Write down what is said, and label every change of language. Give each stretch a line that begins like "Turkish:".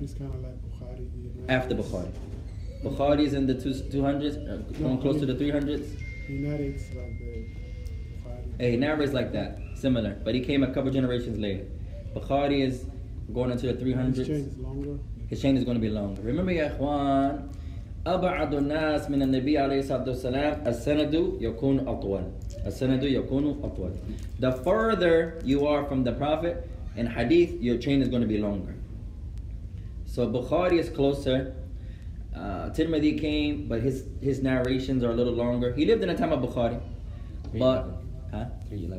English: He's kind of like Bukhari. After Bukhari. Bukhari's in the 200s, close to the 300s. He narrates like that, similar. But he came a couple generations later. Bukhari is going into the 300s. His chain is longer. His chain is going to be longer. Remember,
Arabic: ya ikhwan, أبعد الناس من النبي عليه الصلاة والسلام السند يكون أطول السند يكون أطول.
English: The further you are from the Prophet in Hadith, your chain is going to be longer. So Bukhari is closer. Tirmidhi came, but his narrations are a little longer. He lived in the time of Bukhari. 311. But